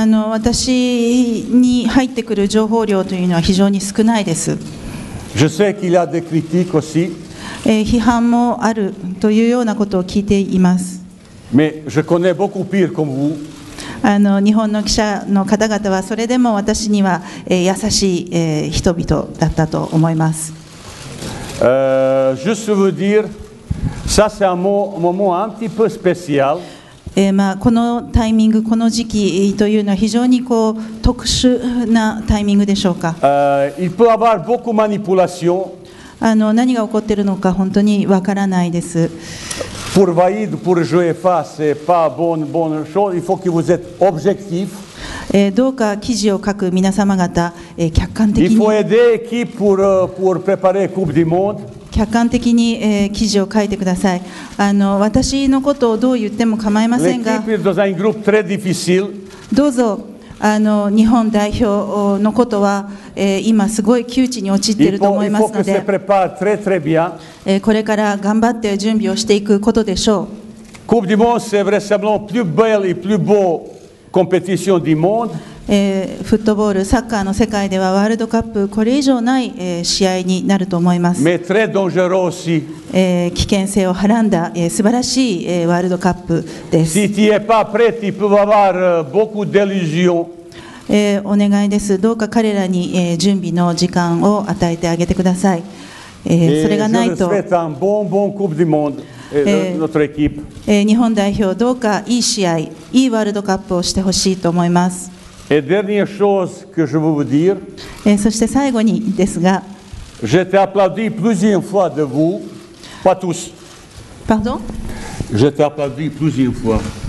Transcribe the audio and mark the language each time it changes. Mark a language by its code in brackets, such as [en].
[ja] 私に入ってくる情報量というのは非常に少ないです。 [fr] Je sais qu'il y a des critiques aussi. [ja] 批判もあるというようなことを聞いています。 [fr] Mais je connais beaucoup pire comme vous. [ja] 日本の記者の方々はそれでも私には、優しい、人々だったと思います。 [fr] juste vous dire, ça c'est un moment un petit peu spécial. [ja] このタイミング、この時期というのは非常にこう特殊なタイミングでしょうか。 [fr] il peut avoir beaucoup manipulation. [ja] 何が起こっているのか本当にわからないです。 [fr] Pour Vaïd, pour UEFA, c'est pas bonne chose. Il faut que vous êtes objectif. [ja] どうか記事を書く皆様方、客観的に。 [fr] Il faut aider l'équipe pour préparer Coupe du Monde. [ja] 客観的に、記事を書いてください。私のことをどう言っても構いませんが。 [fr] L'équipe est dans un groupe très difficile. [ja] どうぞ。日本代表のことは、今すごい窮地に陥っていると思いますので、 [fr] très bien.、 [ja] これから頑張って準備をしていくことでしょう。 [fr] Coupe du Monde, c'est vraisemblant plus belle et plus beau compétition du monde. [ja] フットボール、サッカーの世界ではワールドカップこれ以上ない、試合になると思います。 [fr] Mais très dangereux aussi.、 [ja] 危険性をはらんだ、素晴らしい、ワールドカップです。 [fr] Si tu n'es pas prêt, tu peux avoir beaucoup d'illusions. [ja] お願いです。どうか彼らに、準備の時間を与えてあげてください。それがないと、日本代表どうかいい試合、いいワールドカップをしてほしいと思います。そして最後にですが、 [fr] j'étais applaudi plusieurs fois de vous, pas tous. Pardon? J'étais applaudi plusieurs fois.